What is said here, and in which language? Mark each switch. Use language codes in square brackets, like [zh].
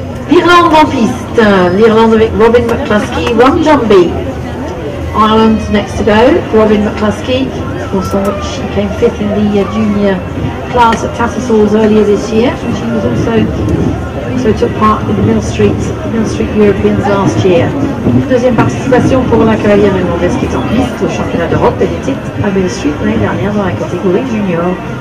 [fr] Irlande en piste, l'Irlande avec Robin McCluskey, [en] one jumpy. Ireland next to go, Robin McCluskey, also she came fifth in the junior class at Tattersalls earlier this year, and she was also took part in the Mill Street Europeans last year. [fr] Deuxième participation pour la Canadienne irlandaise qui est en piste au championnat d'Europe, elle était à Mill Street l'année dernière dans la catégorie junior.